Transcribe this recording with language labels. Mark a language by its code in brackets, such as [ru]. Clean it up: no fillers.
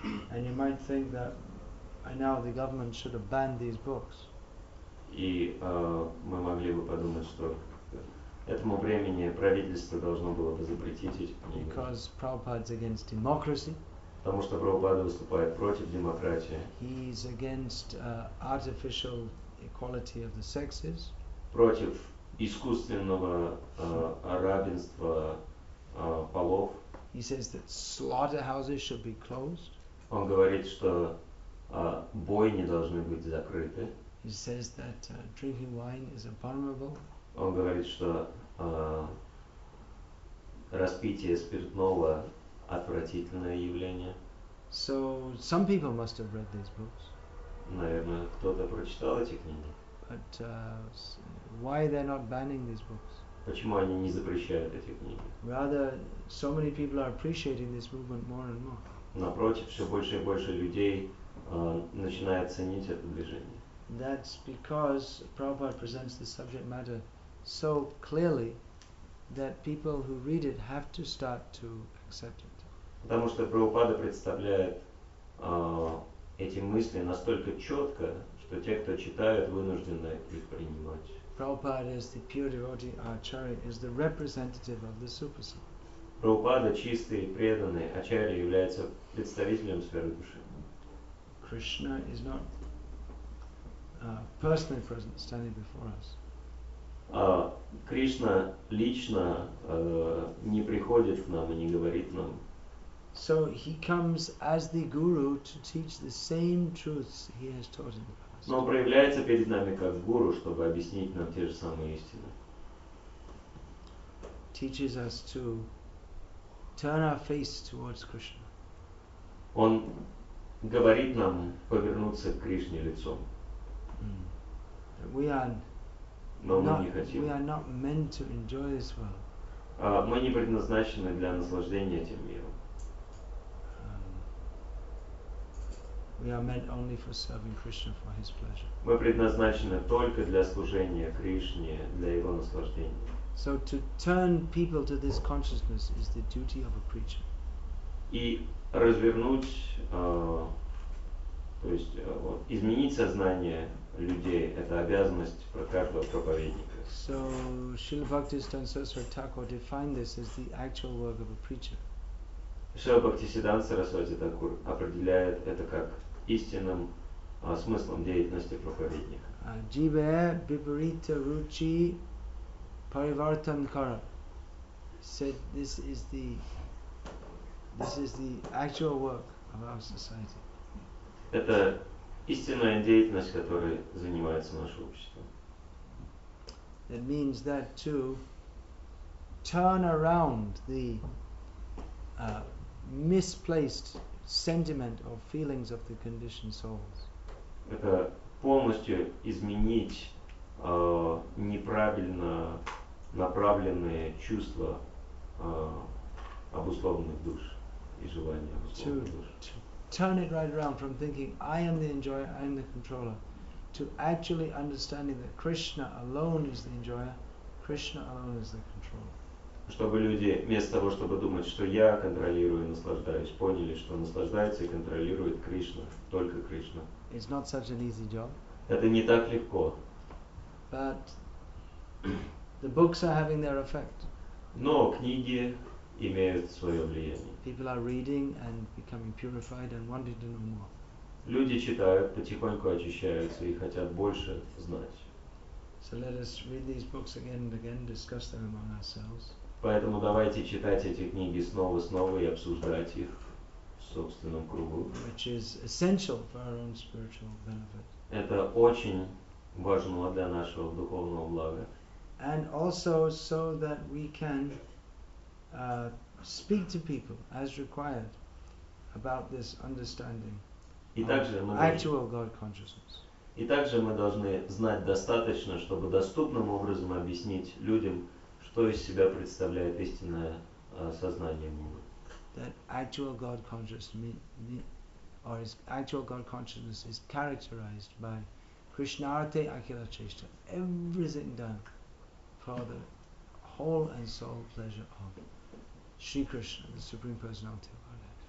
[en] And you might think that by now the government should have banned these books. [ru] И мы могли бы подумать, что этому времени правительство должно было бы запретить эти книги. [en] Because Prabhupada's against democracy. [ru] Потому что Прабхупада выступает против демократии. [en] He's against artificial equality of the sexes. [ru] Против искусственного равенства полов. [en] He says that slaughterhouses should be closed. [ru] Он говорит, что бойни должны быть закрыты. [en] He says that drinking wine is abominable. [ru] Он говорит, что распитие спиртного отвратительное явление. [en] So some people must have read these books. [ru] Наверное, кто-то прочитал эти книги. [en] But why they're not banning these books? [ru] Почему они не запрещают эти книги? [en] Rather, so many people are appreciating this movement more and more. [ru] Напротив, все больше и больше людей начинают ценить это движение. [en] That's because Prabhupada presents the subject matter so clearly that people who read it have to start to accept it. [ru] Потому что Прабхупада представляет эти мысли настолько четко, что те, кто читают, вынуждены их принимать. [en] Prabhupada is the pure devotee, Acharya is the representative of the super soul. [ru] Прабхупада чистый преданный, Ачарья является представителем сферы души. [en] Krishna is not personally present, standing before us. [ru] Кришна лично не приходит к нам и не говорит нам. [en] So he comes as the guru to teach the same truths he has taught in the past. [ru] Но он проявляется перед нами как гуру, чтобы объяснить нам те же самые истины. [en] Teaches us to turn our face towards Krishna. [ru] Он говорит нам повернуться к Кришне лицом. [en] We are not meant to enjoy this world. [ru] Мы не предназначены для наслаждения этим миром. [en] We are meant only for serving Krishna for his pleasure. [ru] Мы предназначены только для служения Кришне, для его наслаждения. [en] So to turn people to this consciousness is the duty of a preacher. [ru] И развернуть, то есть изменить сознание людей, это обязанность про каждого проповедника. [en] So Srila Bhaktisiddhanta Saraswati Thakur defined this as the actual work of a preacher. [ru] Srila Bhaktisiddhanta Saraswati Thakur определяет это как истинным смыслом деятельности проповедника. [en] Jiva Biparita Ruchi Parivartankara said this is the actual work of our society. [ru] Это истинная деятельность, которой занимается наше общество. [en] It means that to turn around the misplaced sentiment or feelings of the conditioned souls. [ru] Это полностью изменить неправильно направленные чувства обусловленных душ и желания обусловленных душ. [en] To turn it right around from thinking I am the enjoyer, I am the controller, to actually understanding that Krishna alone is the enjoyer, Krishna alone is the controller. [ru] Чтобы люди, вместо того, чтобы думать, что я контролирую и наслаждаюсь, поняли, что наслаждается и контролирует Кришна, только Кришна. [en] It's not such an easy job. [ru] Это не так легко. [en] But the books are having their effect. [ru] Но книги имеют свое влияние. [en] People are reading and becoming purified and wanting to know more. [ru] Люди читают, потихоньку очищаются и хотят больше знать. [en] So let us read these books again and again, discuss them among ourselves. [ru] Поэтому давайте читать эти книги снова и снова и обсуждать их в собственном кругу. [en] Which is essential for our own spiritual benefit. [ru] Это очень важно для нашего духовного блага. [en] And also so that we can speak to people as required about this understanding of actual God consciousness. [ru] И также мы должны знать достаточно, чтобы доступным образом объяснить людям, что из себя представляет истинное сознание Бога. [en] That actual God consciousness, or is actual God consciousness, is characterized by Krishnarte Akhila Chesta, everything done for the whole and soul pleasure of Shri Krishna, the Supreme Personality of Godhead.